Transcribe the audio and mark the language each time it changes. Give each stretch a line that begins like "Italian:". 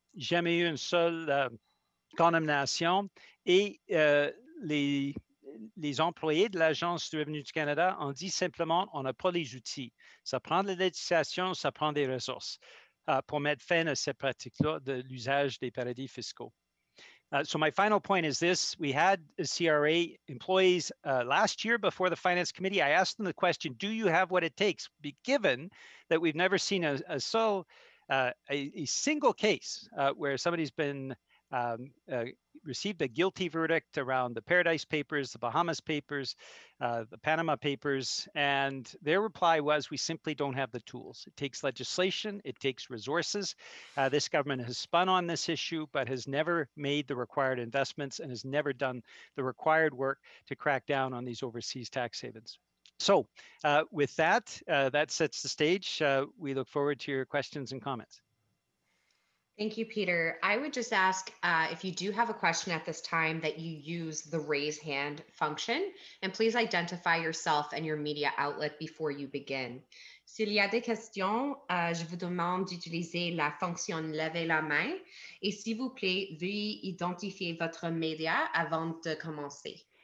French: Jamais eu une seule condamnation. Et les employés de l'Agence du revenu du Canada ont dit simplement on n'a pas les outils. Ça prend de la législation, ça prend des ressources pour mettre fin à cette pratique-là de l'usage des paradis fiscaux.
English: So my final point is this. We had CRA employees last year before the Finance Committee. I asked them the question, do you have what it takes? Given that we've never seen a single case where somebody's been received a guilty verdict around the Paradise Papers, the Bahamas Papers, the Panama Papers, and their reply was, we simply don't have the tools. It takes legislation, it takes resources. This government has spun on this issue, but has never made the required investments and has never done the required work to crack down on these overseas tax havens. So with that, that sets the stage. We look forward to your questions and comments. Thank you, Peter. I would just ask if you do have a question at this time that you use the raise hand function, and please identify yourself and your media outlet before you begin.
French: S'il y a des questions, je vous demande d'utiliser la fonction lever la main, et s'il vous plaît, veuillez identifier votre média avant de commencer.